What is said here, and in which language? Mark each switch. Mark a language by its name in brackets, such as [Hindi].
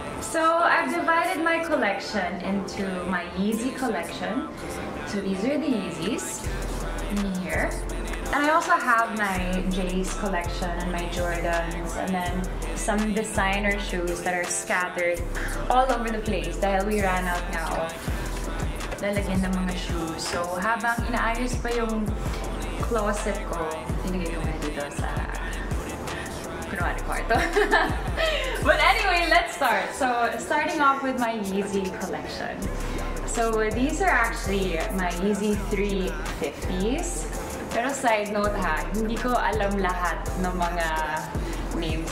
[English] So, I've divided my collection into my Yeezy collection. So, these are the Yeezys. In here. And I also have my Jays collection and my Jordans, and then some designer shoes that are scattered all over the place. [Filipino] Dahil [English] we ran out now, [Filipino] lalagyan ng mga shoes. So habang inaayos pa yung closet ko, tinigay ko na dito sa kunwari kwarto. [English] But anyway, let's start. So starting off with my Yeezy collection. So these are actually my Yeezy 350s. [Filipino] Pero side note ha, hindi ko alam lahat ng mga names.